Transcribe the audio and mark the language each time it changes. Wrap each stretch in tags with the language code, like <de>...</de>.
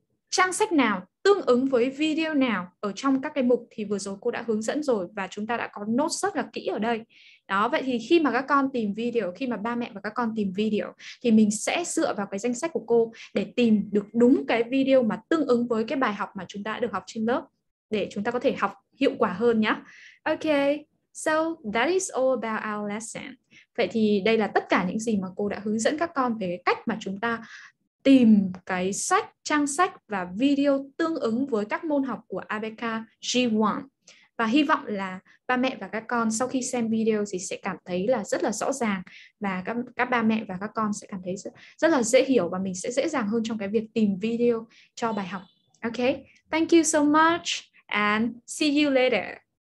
<vi>trang sách nào tương ứng với video nào ở trong các cái mục thì vừa rồi cô đã hướng dẫn rồi và chúng ta đã có nốt rất là kỹ ở đây. Đó, vậy thì khi mà các con tìm video, khi mà ba mẹ và các con tìm video thì mình sẽ dựa vào cái danh sách của cô để tìm được đúng cái video mà tương ứng với cái bài học mà chúng ta đã được học trên lớp để chúng ta có thể học hiệu quả hơn nhá.</vi> <en>Ok, so that is all about our lesson.</en> <vi>Vậy thì đây là tất cả những gì mà cô đã hướng dẫn các con về cái cách mà chúng ta tìm cái sách, trang sách và video tương ứng với các môn học của ABK G1. Và hy vọng là ba mẹ và các con sau khi xem video thì sẽ cảm thấy là rất là rõ ràng và các ba mẹ và các con sẽ cảm thấy rất là dễ hiểu và mình sẽ dễ dàng hơn trong cái việc tìm video cho bài học. Ok,</vi> <en>thank you so much and see you later.</en>